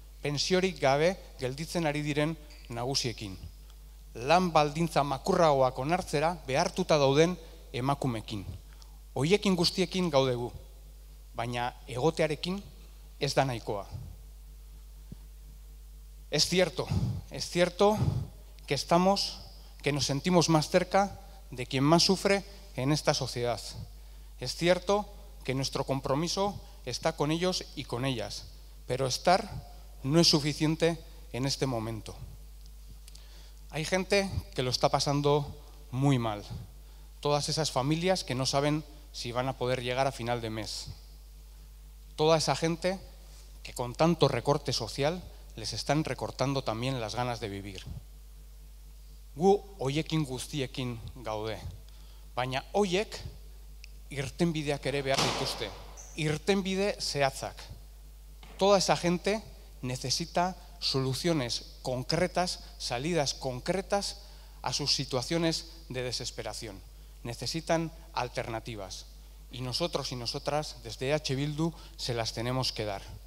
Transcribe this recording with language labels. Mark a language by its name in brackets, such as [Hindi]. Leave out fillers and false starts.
[Basque] Pensiorik gabe gelditzen ari diren nagusiekin. Lan baldintza makurragoak onartzera behartuta dauden emakumekin. Hoiekin guztiekin gaude gu, baina egotearekin ez da nahikoa. [Spanish] Es cierto que estamos, que nos sentimos más cerca de quien más sufre en esta sociedad. Es cierto que nuestro compromiso está con ellos y con ellas, pero estar no es suficiente en este momento. Hay gente que lo está pasando muy mal. Todas esas familias que no saben si van a poder llegar a final de mes. Toda esa gente que con tanto recorte social les están recortando también las ganas de vivir. [Basque] Gu hoiekin guztiekin gaude, baina hoiek irtenbideak ere behar dituzte, irtenbide zehatzak. [Spanish] Toda esa gente necesita soluciones concretas, salidas concretas a sus situaciones de desesperación. Necesitan alternativas. Y nosotros y nosotras, desde EH Bildu, se las tenemos que dar.